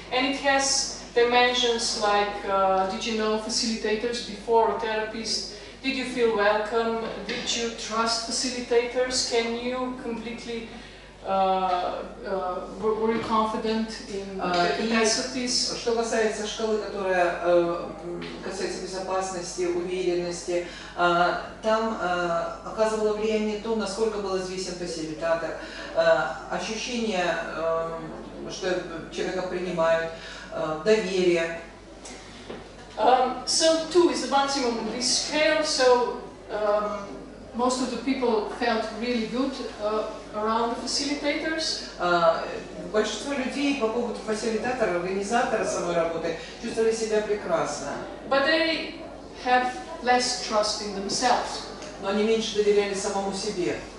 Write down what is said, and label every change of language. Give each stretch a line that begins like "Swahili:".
English: And it has dimensions like, did you know facilitators before or therapists? Did you feel welcome? Did you trust facilitators? Can you completely, were you confident in capacities?
Russian: Что касается шкалы, которая касается безопасности, уверенности, там оказывало влияние то, насколько был известен фасилитатор, ощущение, что человека принимают, доверие.
English: So 2 is the maximum on this scale, so most of the people felt really good around the facilitators.
Russian: Большинство людей по поводу фасилитатора, организатора самой работы чувствовали себя прекрасно.
English: But they have less trust in themselves.
Russian: Но они меньше доверяли самому себе.